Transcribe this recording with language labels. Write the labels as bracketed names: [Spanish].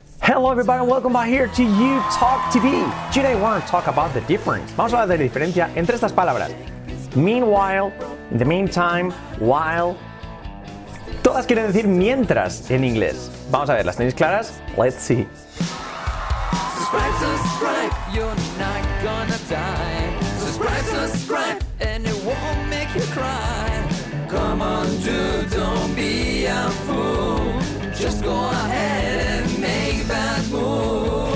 [English] Hello, everybody, and welcome back here to You Talk TV. Today, I want to talk about the difference. [Spanish] Vamos a hablar de la diferencia entre estas palabras. [English] Meanwhile, in the meantime, while. [Spanish] Todas quieren decir mientras en inglés. Vamos a ver, ¿las tenéis claras? [English] Let's see. Subscribe, subscribe, you're not gonna die. Subscribe, subscribe, and it won't make you cry. Come on, dude, don't be a fool. Just go ahead and make that move.